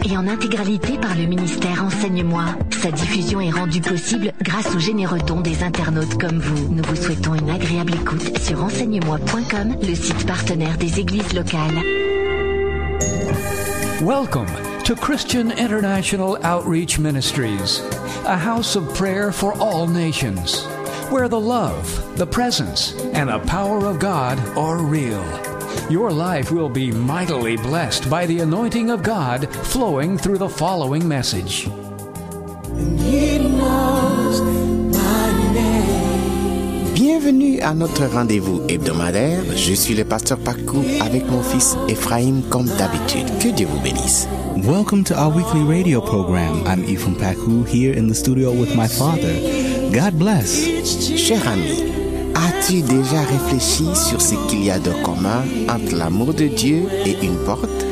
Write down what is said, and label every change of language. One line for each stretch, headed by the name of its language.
French: Et en intégralité par le ministère Enseigne-moi. Sa diffusion est rendue possible grâce aux généreux dons des internautes comme vous. Nous vous souhaitons une agréable écoute sur enseignemoi.com, le site partenaire des églises locales.
English: Welcome to Christian International Outreach Ministries, a house of prayer for all nations, where the love, the presence, and the power of God are real. Your life will be mightily blessed by the anointing of God flowing through the following message. And he knows my name.
French: Bienvenue à notre rendez-vous hebdomadaire. Je suis le pasteur Pakou avec mon fils Ephraim comme d'habitude. Que Dieu vous bénisse.
English: Welcome to our weekly radio program. I'm Ephraim Pakou here in the studio with my father. God bless.
French: Cher ami, as-tu déjà réfléchi sur ce qu'il y a de commun entre l'amour de Dieu et une porte?